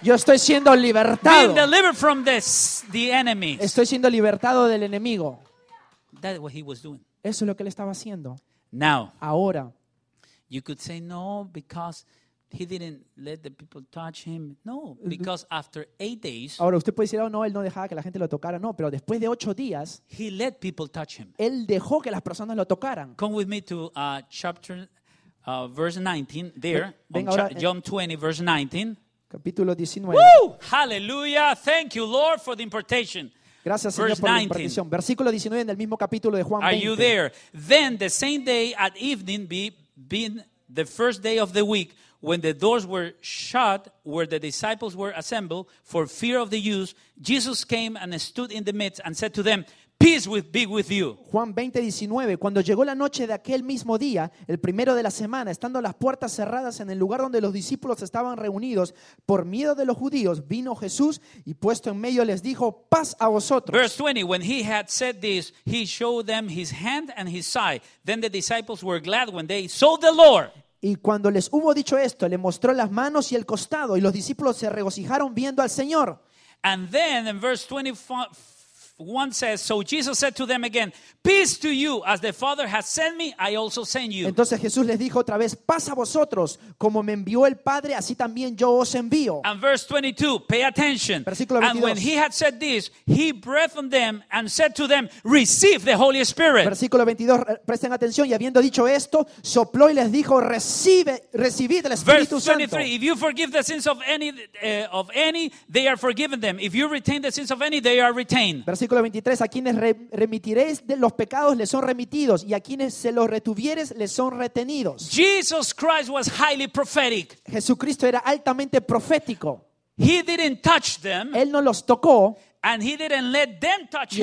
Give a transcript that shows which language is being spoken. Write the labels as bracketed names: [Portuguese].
[Spanish] Yo estoy siendo libertado. [English] Being delivered from the enemy. [Spanish] Estoy siendo libertado del enemigo. [English] That's what he was doing. [Spanish] Eso es lo que él estaba haciendo. [English] Now, [Spanish] ahora, [English] you could say no because He didn't let the people touch him. No, because after 8 days. [Spanish] Ahora usted puede decir, oh, no, él no dejaba que la gente lo tocara. No, pero después de 8 días. [English] He let people touch him. [Spanish] Él dejó que las personas lo tocaran. [English] Come with me to chapter verse 19 there. John 20 verse 19. [Spanish] Capítulo 19. [English] Woo! Hallelujah! Thank you, Lord, for the impartation. [Spanish] Gracias, Señor, por la impartición. Versículo 19 en el mismo capítulo de Juan 20. [English] Are you there? Then the same day at evening, being the first day of the week. When the doors were shut where the disciples were assembled for fear of the Jews, Jesus came and stood in the midst and said to them, Peace be with you. [Spanish] Juan 20:19. Cuando llegó la noche de aquel mismo día, el primero de la semana, estando las puertas cerradas en el lugar donde los discípulos estaban reunidos, por miedo de los judíos, vino Jesús y puesto en medio les dijo, Paz a vosotros. [English] Verse 20. When he had said this, he showed them his hand and his side. Then the disciples were glad when they saw the Lord. [Spanish] Y cuando les hubo dicho esto, le mostró las manos y el costado, y los discípulos se regocijaron viendo al Señor. [English] And then in verse 21 says, So Jesus said to them again, Peace to you, as the Father has sent me, I also send you. [Spanish] Entonces Jesús les dijo otra vez, Paz a vosotros, como me envió el Padre, así también yo os envío. [English] And verse 22, pay attention. [Spanish] Versículo 22. [English] And when he had said this, he breathed on them and said to them, Receive the Holy Spirit. [Spanish] Versículo 22, presten atención, y habiendo dicho esto, sopló y les dijo, recibid el Espíritu Santo. [English] Verse 23, if you forgive the sins of any, they are forgiven them. If you retain the sins of any, they are retained. [Spanish] Versículo 23, a quienes remitiréis de los pecados les son remitidos y a quienes se los retuvieres les son retenidos. [English] Jesus Christ was highly prophetic. [Spanish] Jesucristo era altamente profético. [English] He didn't touch them. [Spanish] Él no los tocó. [English] And he didn't let them touch him.